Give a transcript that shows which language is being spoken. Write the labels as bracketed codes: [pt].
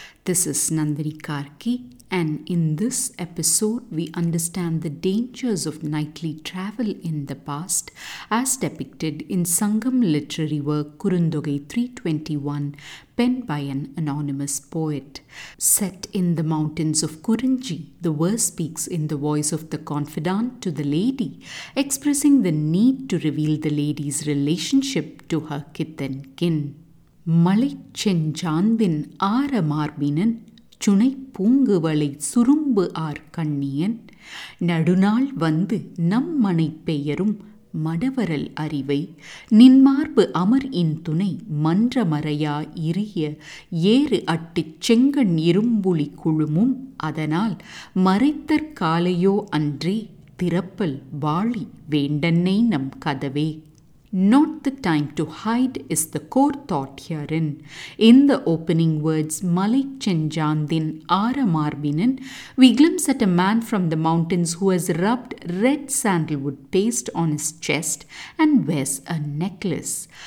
[en] This is Nandini Karki, and in this episode we understand the dangers of nightly travel in the past as depicted in Sangam literary work Kurundogai 321, penned by an anonymous poet. Set in the mountains of Kurunji, the verse speaks in the voice of the confidant to the lady, expressing the need to reveal the lady's relationship to her kith and kin. [ta] மலை செஞ்சாந்தின் ஆற மார்பினன் சுனை பூங்குவளை சுரும்பு R கண்ணியன் நடுநாள் வந்து நம் மனை பெயரும் மடவரல் அறிவை நின்மார்பு அமர் இன் துணை மன்றமறையா இறிய ஏறு அட்டு செங்கண் இரும்புளி குழுமும் அதனால் மறைத்தற்காலையோ அன்றே திறப்பல் வாழி வேண்டன்னை நம் கதவே. [en] Not the time to hide is the core thought herein. In the opening words, Malai Chenjandin Ara Marbinan, we glimpse at a man from the mountains who has rubbed red sandalwood paste on his chest and wears a necklace.